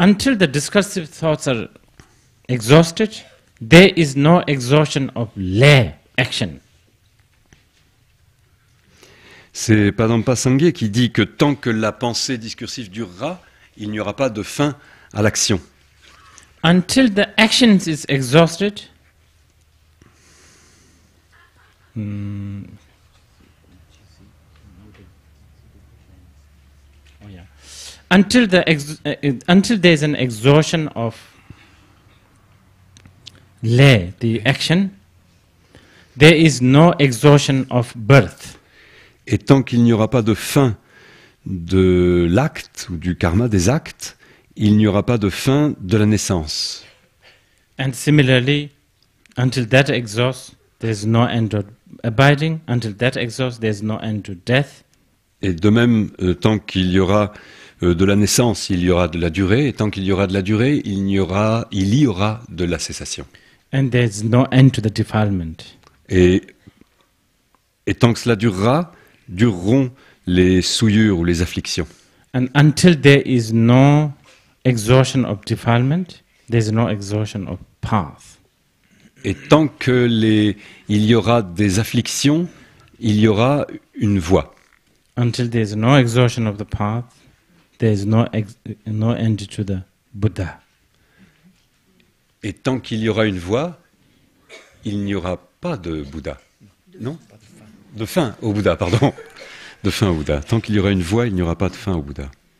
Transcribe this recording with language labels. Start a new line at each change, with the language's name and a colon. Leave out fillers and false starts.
English: Until the discursive thoughts are exhausted, there is no exhaustion of lay action.
French: C'est Padampa Sangye qui dit que tant que la pensée discursive durera, il n'y aura pas de fin à l'action.
English: Until the action is exhausted. Until there is an exhaustion of lay, the action, there is no exhaustion of birth.
French: Et tant qu'il n'y aura pas de fin de l'acte ou du karma des actes, il n'y aura pas de fin de la naissance.
English: And similarly, until that exhausts, there is no end of abiding. Until that exhausts, there is no end to death.
French: Et de même, tant qu'il y aura de la naissance, il y aura de la durée, et tant qu'il y aura de la durée, il y aura de la cessation.
English: And there's no end to the defilement.
French: Et tant que cela durera, dureront les souillures ou les afflictions.
English: And until there is no exhaustion of defilement, there's no exhaustion of path.
French: Et tant que il y aura des afflictions, il y aura une voie.
English: Until there's no exhaustion of the path, there is no end to the Buddha.
French: Et tant qu'il y aura une voie, il n'y aura pas de Bouddha. Non? De fin au Bouddha, pardon. De fin au Bouddha. Tant qu'il y aura une voie, il n'y aura pas de fin au Bouddha.